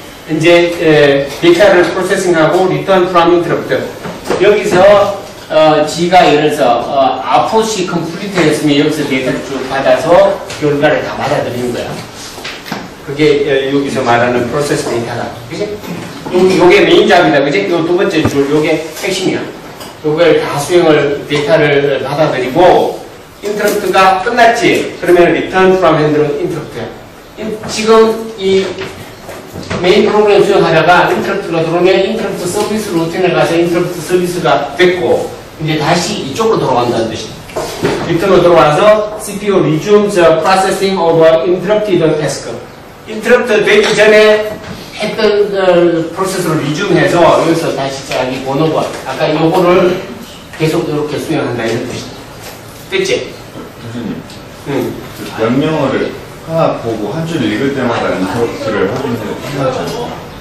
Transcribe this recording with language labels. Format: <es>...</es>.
<ko>이제 데이터를 프로세싱하고</ko> <en>return from interrupt</en> <ko>여기서 G가 예를 들어서 아포시 컴플리트 했으면 여기서 데이터를 쭉 받아서 결과를 다 받아들이는 거야. 그게 여기서 말하는 프로세스 데이터다. 요게 메인 작업이다. 그치? 요 두 번째 줄, 요게 핵심이야. 요걸 다 수행을, 데이터를 받아들이고, 인터럽트가 끝났지.</ko> <en>그러면 return from handler interrupt.</en> <ko>지금 이 메인 프로그램 수행하다가 인터럽트가 들어오면 인터럽트 서비스 루틴에 가서 인터럽트 서비스가 됐고, 이제 다시 이쪽으로 돌아간다는 뜻이야. return으로 돌아와서</ko> <en>CPU resumes processing of interrupted task.</en> <ko>인터럽터 되기 전에 했던 프로세스를 리줌해서 여기서 다시 자기 번호가 아까 요거를 계속 이렇게 수행한다 이런 뜻이죠. 됐지? 교수님, 응. 명령어를 하나 보고 한 줄 읽을 때마다 인터럽터를 확인해 주세요.</ko>